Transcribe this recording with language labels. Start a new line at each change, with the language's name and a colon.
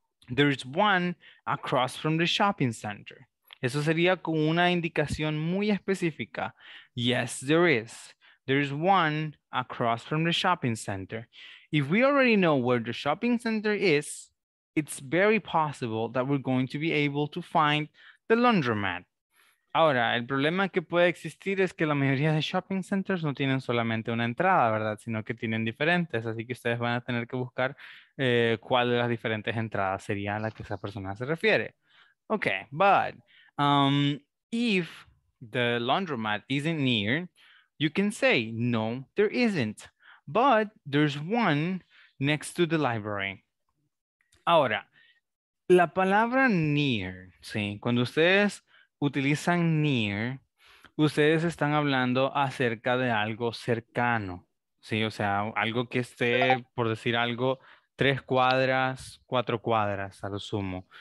English: There is one across from the shopping center.
Spanish: Eso sería con una indicación muy específica.
English: Yes, there is. There is one across from the shopping center. If we already know where the shopping center is, it's very possible that we're going to be able to find the laundromat.
Spanish: Ahora, el problema que puede existir es que la mayoría de shopping centers no tienen solamente una entrada, ¿verdad? Sino que tienen diferentes. Así que ustedes van a tener que buscar cuál de las diferentes entradas sería a la que esa persona se refiere.
English: Okay, but if the laundromat isn't near, you can say, no, there isn't, but there's one next to the library.
Spanish: Ahora, la palabra near, ¿sí? Cuando ustedes utilizan near, ustedes están hablando acerca de algo cercano, ¿sí? O sea, algo que esté, por decir algo, 3 cuadras, 4 cuadras a lo sumo.